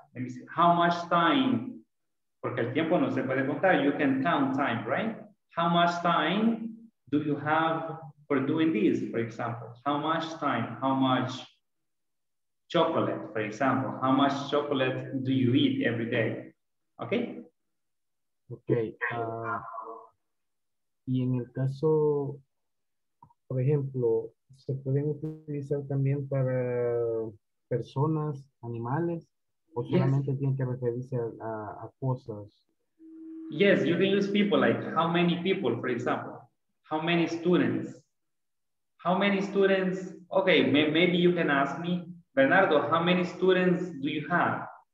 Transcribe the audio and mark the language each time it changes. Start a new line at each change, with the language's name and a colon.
English: Let me see, how much time?
Spanish: Porque el tiempo no se puede contar,
English: you can count time, right? How much time do you have for doing this, for example? How much time, how much chocolate, for example? How much chocolate do you eat every day? Okay? Okay.
Spanish: Y en el caso, por ejemplo, ¿se pueden utilizar también para personas, animales? ¿O solamente tienen que referirse a cosas?
English: Yes, you can use people, like how many people, for example. How many students? How many students? Okay, maybe you can ask me, Bernardo, how many students do you have?